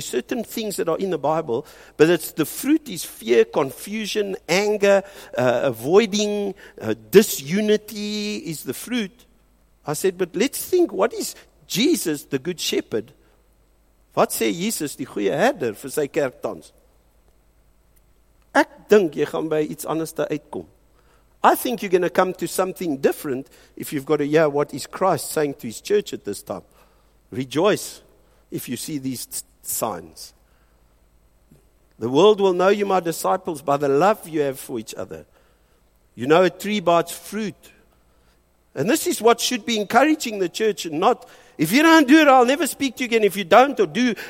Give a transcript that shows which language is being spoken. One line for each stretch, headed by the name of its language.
English: There's certain things that are in the Bible, but it's the fruit is fear, confusion, anger, avoiding, disunity is the fruit. I said, but let's think, what is Jesus, the good shepherd?
Afrikaans: Wat sê Jesus, die goeie herder, vir sy kerk tans? Ek dink jy gaan by iets anders te uitkom.
English: I think you're going to come to something different if you've got to hear what is Christ saying to his church at this time. Rejoice if you see these signs. The world will know you, my disciples, by the love you have for each other. You know a tree by its fruit. And this is what should be encouraging the church, and not, if you don't do it, I'll never speak to you again. If you don't, or do.